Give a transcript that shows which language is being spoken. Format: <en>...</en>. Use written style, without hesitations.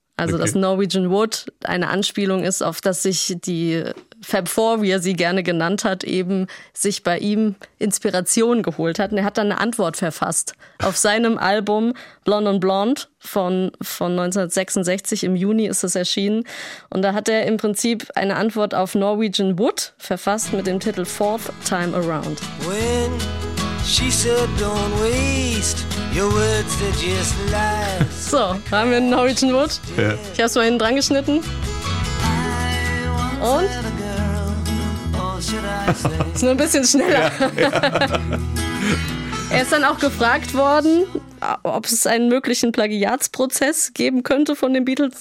<de>Also, dass Norwegian Wood eine Anspielung ist, auf das sich die Fab Four, wie er sie gerne genannt hat, eben sich bei ihm Inspiration geholt hat. Und er hat dann eine Antwort verfasst auf seinem Album Blonde on Blonde von 1966. Im Juni ist es erschienen. Und da hat er im Prinzip eine Antwort auf Norwegian Wood verfasst mit dem Titel Fourth Time Around.</de> <en>When she said don't waste your words, they're just lies.</en> <de>So, haben wir einen Norwegian Wood? Ja. Ich hab's mal hinten dran geschnitten. Und? Ist nur ein bisschen schneller. Er ist dann auch gefragt worden, ob es einen möglichen Plagiatsprozess geben könnte von den Beatles.</de>